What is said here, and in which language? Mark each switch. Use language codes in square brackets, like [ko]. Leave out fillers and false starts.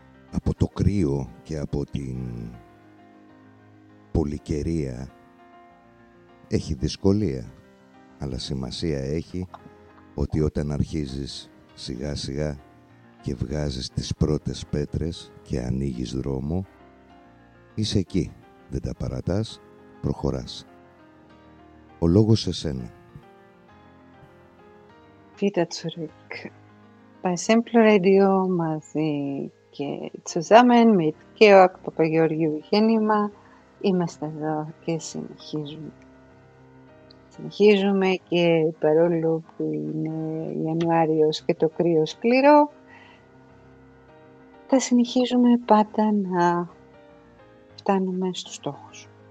[el] από το κρύο και από την πολυκαιρία, έχει δυσκολία, αλλά σημασία έχει ότι όταν αρχίζεις σιγά σιγά και βγάζεις τις πρώτες πέτρες και ανοίγεις δρόμο, είσαι εκεί, δεν τα παρατάς, προχωράς. Ο λόγος σε σένα. [de] Wieder zurück bei Simple Radio [el] μαζί και [de] zusammen mit Georg Papagiorgiou Γέννημα. [el] Είμαστε εδώ και συνεχίζουμε. Συνεχίζουμε και παρόλο που είναι Ιανουάριος και το κρύο σκληρό, θα συνεχίζουμε πάντα να φτάνουμε στους στόχους.